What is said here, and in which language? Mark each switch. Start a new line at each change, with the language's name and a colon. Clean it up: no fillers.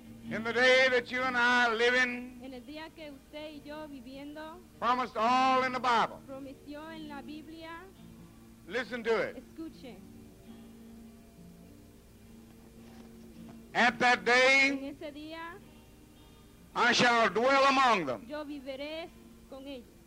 English: In the day that you and I are living,
Spanish: en el día que usted y yo viviendo,
English: promised all in the Bible.
Spanish: Prometió en la Biblia,
English: listen to it.
Spanish: Escuche.
English: At that day,
Spanish: en ese día,
English: I shall dwell among them.
Spanish: Yo viviré con ellos.